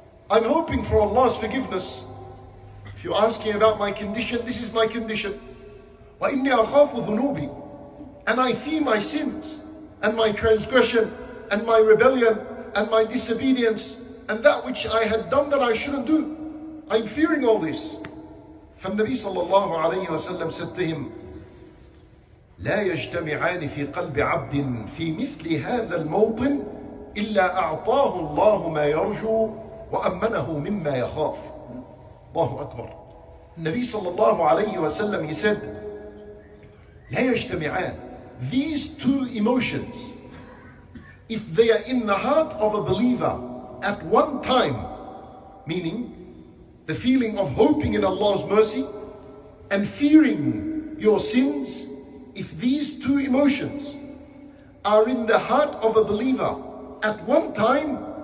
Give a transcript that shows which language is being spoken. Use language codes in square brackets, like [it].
[en] I'm hoping for Allah's forgiveness. If you're asking about my condition, this is my condition. [ar] Wa inni akhafu dhunubi. [en] And I fear my sins, and my transgression, and my rebellion, and my disobedience, and that which I had done that I shouldn't do. I'm fearing all this. [ar] فالنبي صلى الله عليه وسلم [en] said to him, [ar] لا يجتمعان في قلب عبد في مثل هذا الموطن إلا أعطاه الله ما يرجو وأمنه مما يخاف. الله أكبر. النبي صلى الله عليه وسلم, [en] he said, [ar] لا يجتمعان. [en] these two emotions, if they are in the heart of a believer at one time, meaning the feeling of hoping in Allah's mercy and fearing your sins, if these two emotions are in the heart of a believer at one time,